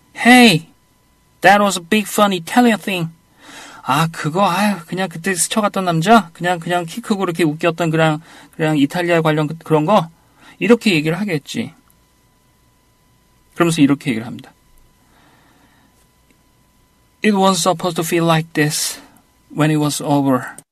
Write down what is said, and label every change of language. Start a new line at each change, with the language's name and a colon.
English: Hey, that was a big fun Italian thing.
Korean: 아, 그거, 아유, 그냥 그때 스쳐갔던 남자? 그냥 키 크고 이렇게 웃겼던 그냥 이탈리아 관련 그런 거? 이렇게 얘기를 하겠지. 그러면서 이렇게 얘기를 합니다.
English: It wasn't supposed to feel like this when it was over.